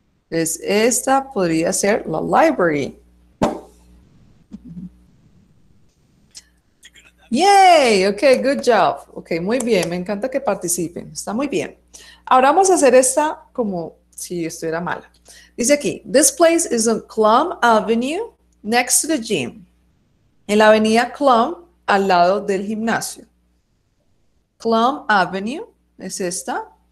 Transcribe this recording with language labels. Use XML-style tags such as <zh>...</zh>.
<es>Entonces, esta podría ser la library. Yay, ok, good job. Ok, muy bien, me encanta que participen, está muy bien. Ahora vamos a hacer esta como si estuviera mala.</es> <en>Dice aquí, This place is on Clum Avenue next to the gym.</en> <es>En la avenida Clum, al lado del gimnasio. Clum Avenue es esta.</es>